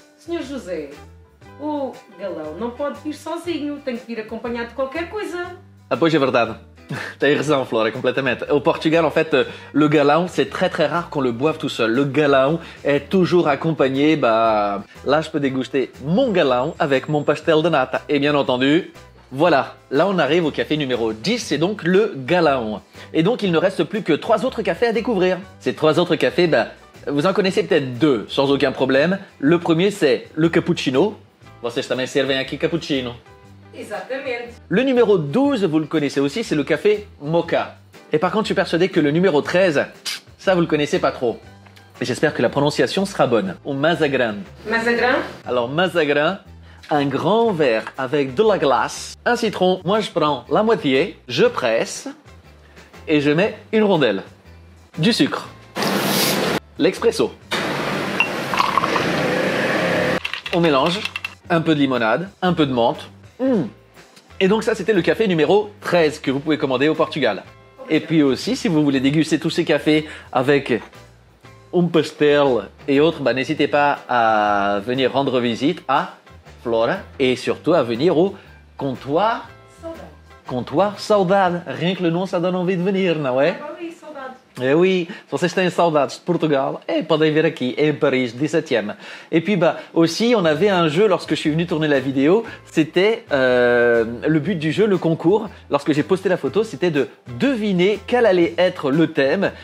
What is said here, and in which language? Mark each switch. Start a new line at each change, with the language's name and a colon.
Portuguese: Senhor José, o galão não pode vir sozinho, tem que vir acompanhado de qualquer coisa. Ah, pois é verdade.
French: T'as raison, Flora, complètement. Au Portugal, en fait, le galão, c'est très très rare qu'on le boive tout seul. Le galão est toujours accompagné, là, je peux déguster mon galão avec mon pastel de nata. Et bien entendu, voilà, là, on arrive au café numéro 10, c'est donc le galão. Et donc, il ne reste plus que trois autres cafés à découvrir. Ces trois autres cafés, vous en connaissez peut-être deux, sans aucun problème. Le premier, c'est le cappuccino.
Portuguese: Vocês também servem aqui cappuccino.
French: Exactement. Le numéro 12, vous le connaissez aussi, c'est le café Mocha. Et par contre, je suis persuadé que le numéro 13, ça, vous le connaissez pas trop. Mais j'espère que la prononciation sera bonne. Un mazagran. Mazagran? Alors, mazagran, un grand verre avec de la glace, un citron. Moi, je prends la moitié, je presse et je mets une rondelle. Du sucre. L'expresso. On mélange un peu de limonade, un peu de menthe. Et donc ça, c'était le café numéro 13 que vous pouvez commander au Portugal. Et puis aussi, si vous voulez déguster tous ces cafés avec un pastel et autres, n'hésitez pas à venir rendre visite à Flora et surtout à venir au comptoir... Saudade. Comptoir Saudade. Rien que le nom, ça donne envie de venir,
Portuguese: não é?
French: Oui, Saudade. Eh oui, si vous avez Saudades de Portugal, et pouvez venir ici, en Paris, 17e. Et puis aussi, on avait un jeu lorsque je suis venu tourner la vidéo, c'était le but du jeu, le concours, lorsque j'ai posté la photo, c'était de deviner quel allait être le thème.